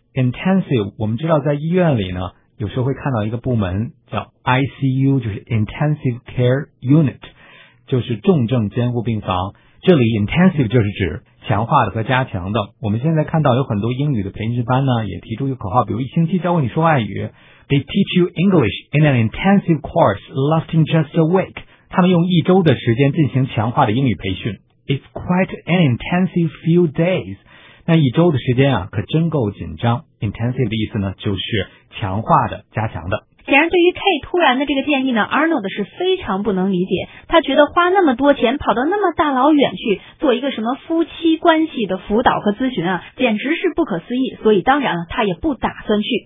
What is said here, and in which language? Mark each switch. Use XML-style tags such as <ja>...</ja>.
<zh>Intensive, 我们知道在医院里呢，有时候会看到一个部门叫 ICU, 就是 intensive care unit, 就是重症监护病房。这里 intensive 就是指强化的和加强的。我们现在看到有很多英语的培训班呢，也提出一个口号，比如一星期教会你说外语。</zh> <en>They teach you English in an intensive course lasting just a week.</en> <zh>他们用一周的时间进行强化的英语培训。</zh> <en>It's quite an intensive few days.</en> <zh>那一周的时间啊，可真够紧张。Intensive 的意思呢，就是强化的、加强的。显然对于 K 突然的这个建议呢， Arnold 是非常不能理解，他觉得花那么多钱跑到那么大老远去做一个什么夫妻关系的辅导和咨询啊，简直是不可思议，所以当然了他也不打算去。</zh>